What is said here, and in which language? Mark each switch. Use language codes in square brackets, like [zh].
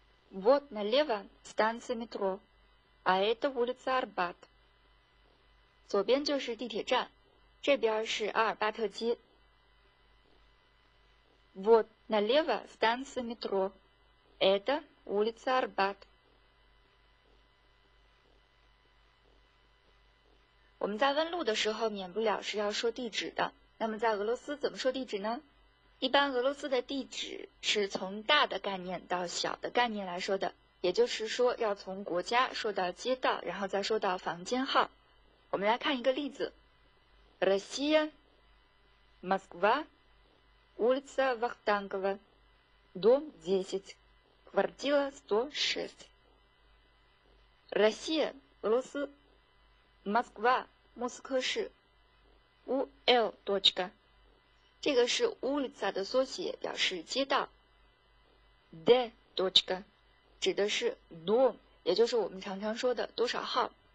[ru] Вот налево станция метро. А это улица Арбат. [zh] 左边就是地铁站，这边是阿尔巴特街。 [ru] Вот налево станция метро. Это улица Арбат. [zh] 我们在问路的时候免不了是要说地址的，那么在俄罗斯怎么说地址呢？一般俄罗斯的地址是从大的概念到小的概念来说的，也就是说要从国家说到街道，然后再说到房间号。我们来看一个例子， [ru] Россия Москва улица Вахтангова дом 10 квартира 106. [zh] Россия 俄罗斯，Москва, 莫斯科市 ,ul. 这个是 улица 的缩写，表示街道。 [ru] Де точка [zh] 指的是 дом， 也就是我们常常说的多少号。